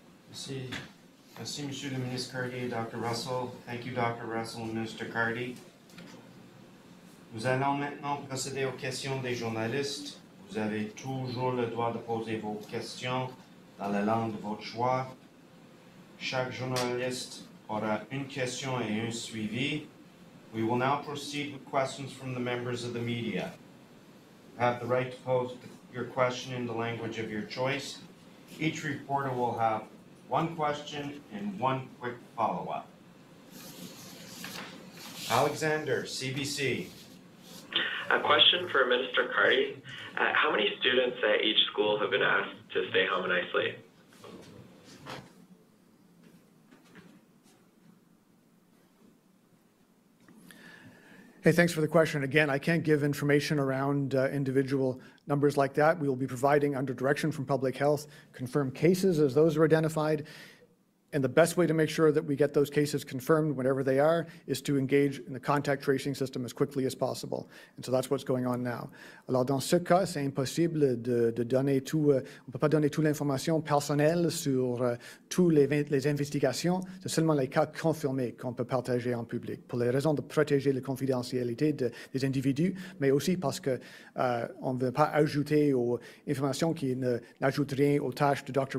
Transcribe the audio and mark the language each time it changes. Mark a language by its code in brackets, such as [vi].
[fr] Merci. Merci, Monsieur le Ministre Cardy et Dr. Russell. [en] Thank you, Dr. Russell and Mr. Cardy. [fr] Nous allons maintenant procéder aux questions des journalistes. Vous avez toujours le droit de poser vos questions dans la langue de votre choix. Chaque journaliste aura une question et un suivi. [en] We will now proceed with questions from the members of the media. You have the right to pose your question in the language of your choice. Each reporter will have one question and one quick follow-up. Alexander, CBC. A question for Minister Cardy. How many students at each school have been asked to stay home and isolate? Hey, thanks for the question. Again, I can't give information around individual numbers like that. We will be providing, under direction from public health, confirmed cases as those are identified. And the best way to make sure that we get those cases confirmed, whatever they are, is to engage in the contact tracing system as quickly as possible. And so that's what's going on now. [fr] Alors, dans ce cas, c'est impossible de donner tout, on peut pas donner toute l'information personnelle sur toutes les investigations. C'est seulement les cas confirmés qu'on peut partager en public pour les raisons de protéger la confidentialité des individus, mais aussi parce que on veut pas ajouter aux informations qui n'ajoutent rien aux tâches de Dr.